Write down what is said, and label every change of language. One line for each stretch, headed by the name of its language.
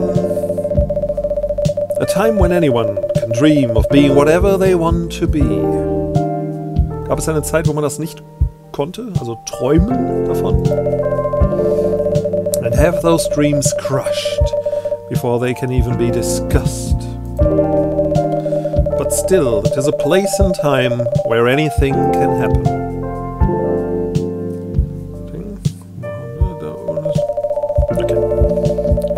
English: A time when anyone can dream of being whatever they want to be.
German: Gab es eine Zeit, wo man das nicht konnte? Also träumen davon?
English: And have those dreams crushed before they can even be discussed. But still, it is a place and time where anything can happen. Okay.